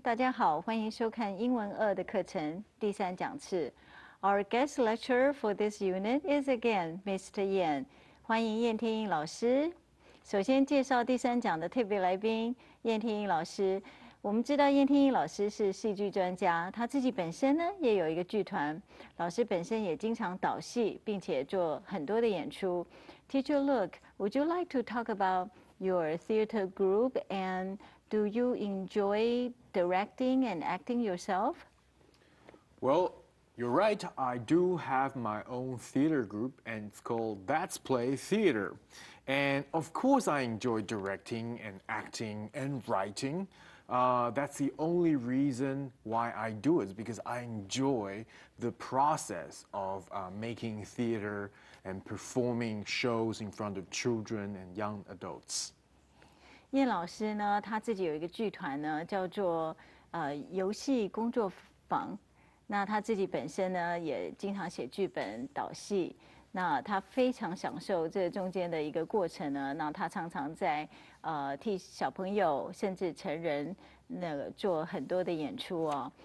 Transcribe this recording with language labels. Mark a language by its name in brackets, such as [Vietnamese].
[Chinese] 大家好，欢迎收看英文2的课程，第三讲次。 [English] Our guest lecturer for this unit is again Mr. [Chinese] Yan. 欢迎燕天英老师。首先介绍第三讲的特别来宾，燕天英老师。我们知道燕天英老师是戏剧专家，他自己本身呢也有一个剧团，老师本身也经常导戏，并且做很多的演出。 [English] Teacher, look, would you like to talk about your theater group and do you enjoy directing and acting yourself? Well, you're right, I do have my own theater group and it's called That's Play Theater. And of course I enjoy directing and acting and writing. That's the only reason why I do it, because I enjoy the process of making theater and performing shows in front of children and young adults. [Chinese] 燕老师呢，他自己有一个剧团呢，叫做游戏工作坊。那他自己本身呢，也经常写剧本、导戏。那他非常享受这中间的一个过程呢。那他常常在替小朋友甚至成人那个做很多的演出哦。